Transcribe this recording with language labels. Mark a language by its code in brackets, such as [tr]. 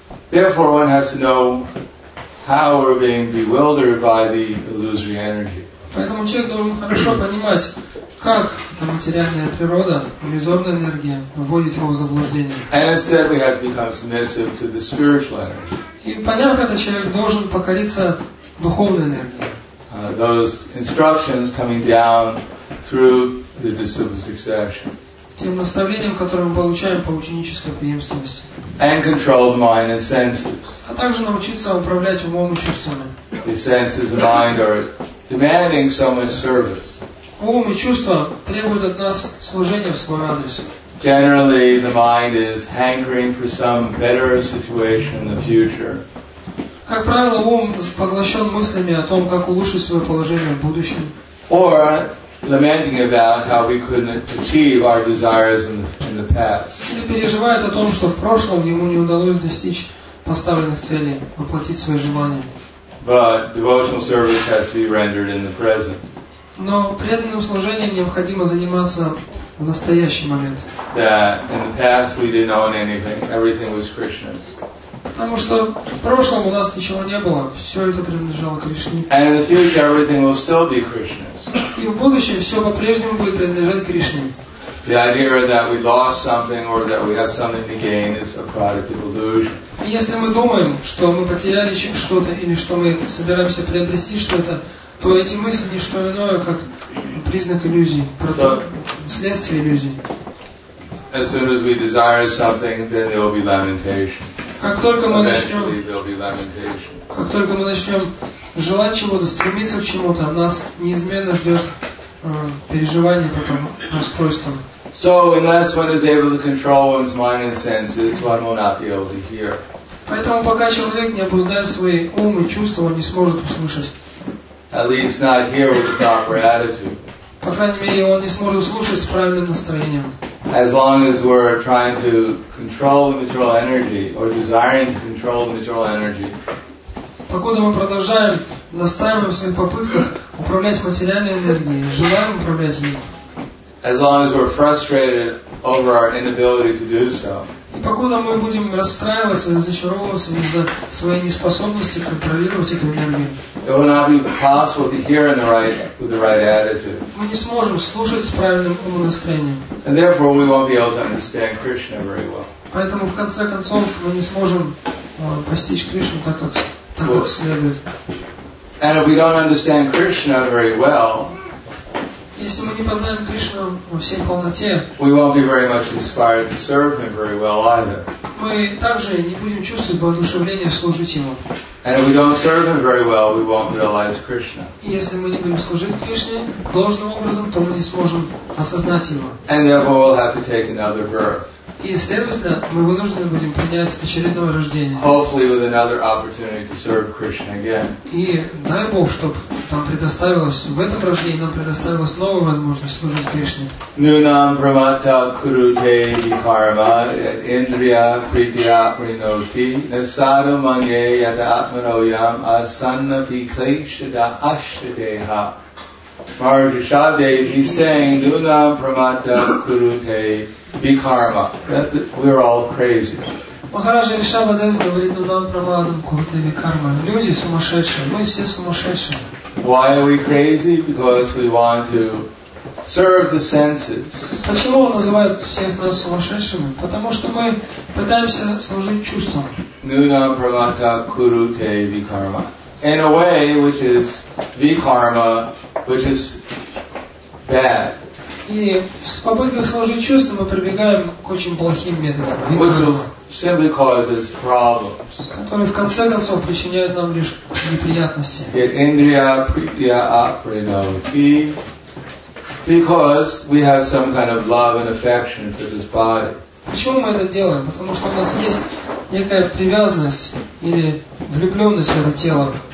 [en] Therefore one has to know how we're being bewildered by the illusory energy. [ru] Поэтому человек должен хорошо понимать, как эта материальная природа, иллюзорная энергия, вводит его в заблуждение. [en] And instead we have to become submissive to the spiritual energy. [ru] И поняв это, человек должен покориться духовной энергии. [en] Those instructions coming down through the disciplic succession. [ru] Тем наставлением, которое мы получаем по ученической преемственности. [en] And control the mind and senses. [ru] А также научиться управлять умом и чувствами. [en] The senses and mind are demanding so much service. [ru] ум и чувства требуют от нас служения в свой адрес. [en] Generally, the mind is hankering for some better situation in the future. [ru] Как правило, ум поглощен мыслями о том, как улучшить свое положение в будущем. [en] Or lamenting about how we couldn't achieve our desires in the past. [ru] Или переживает о том, что в прошлом ему не удалось достичь поставленных целей, воплотить свои желания. [en] But devotional service has to be rendered in the present. [ru] Но преданным служением необходимо заниматься в настоящий момент. [en] That in the past we didn't own anything, everything was Krishna's. [ru] Потому что в прошлом у нас ничего не было, все это принадлежало Кришне. [en] And in the future everything will still be Krishna's. [ru] И в будущем все по-прежнему будет принадлежать Кришне. [en] The idea that we lost something or that we have something to gain is a product of illusion. [ru] И если мы думаем, что мы потеряли что-то или что мы собираемся приобрести что-то, то эти мысли не что иное, как признак иллюзии, следствие иллюзии. [en] As soon as we desire something, then there will be lamentation. [ru] Как только мы начнем желать чего-то, стремиться к чему-то, нас неизменно ждет переживание потом расстройством. [en] So unless one is able to control one's mind and senses, one will not be able to hear. [ru] Поэтому пока человек не обуздает свои ум и чувства, он не сможет услышать. [en] At least not here with the proper attitude. [ru] По крайней мере, он не сможет слушать с правильным настроением. [en] As long as we're trying to control the material energy or desiring to control the material energy. [ru] Покуда мы продолжаем настаивать в своих попытках управлять материальной энергией, желаем управлять ей. [en] As long as we're frustrated over our inability to do so. [ru] И покуда мы будем расстраиваться и разочаровываться из-за своей неспособности контролировать эту энергию, [en] it will not be possible to hear in the right, with the right attitude. [ru] Мы не сможем слушать с правильным умом настроением. [en] And therefore we won't be able to understand Krishna very well. [ru] Поэтому в конце концов мы не сможем постичь Кришну так как следует. [en] And if we don't understand Krishna very well, [ru] если мы не познаем Кришну во всей полноте, [en] we won't be very much inspired to serve Him very well either. [ru] Мы также не будем чувствовать воодушевления служить Ему. [en] And if we don't serve Him very well, we won't realize Krishna. [ru] И если мы не будем служить Кришне должным образом, то мы не сможем осознать Его. [en] And therefore we'll have to take another birth. [ru] И следовательно, мы вынуждены будем принять очередное рождение. [en] Hopefully with another opportunity to serve Krishna again. [ru] И дай Бог, чтобы нам предоставилось в этом рождении нам предоставилась новая возможность служить Кришне. [sa] Нунам прамата курте карма индрия притя приноти насаду манье ята атманоям асанна пиклейшда ашдеха. [en] Maharajashadev, he's saying, [sa] Nunam Pramata Kurute Bikarma. [en] We're all crazy. [ru] Maharajashadev говорит, [sa] Nunam Pramata Kurute Bikarma. [ru] Люди сумасшедшие, мы все сумасшедшие. [en] Why are we crazy? Because we want to serve the senses. [ru] Почему он называет всех нас сумасшедшими? Потому что мы пытаемся служить чувствам. [sa] Nunam Pramata Kurute Bikarma. [en] In a way, which is Vikarma, which is bad. [ru] И с попыткой сложить чувства мы прибегаем к очень плохим методам. [en] Which will simply cause us problems. [ru] Которые в конце концов причиняют нам лишь неприятности. [sa] Indriya pritya aprinoti. [en] Because we have some kind of love and affection for this body. [ru] Почему мы это делаем? Потому что у нас есть некая привязанность или влюбленность в это тело.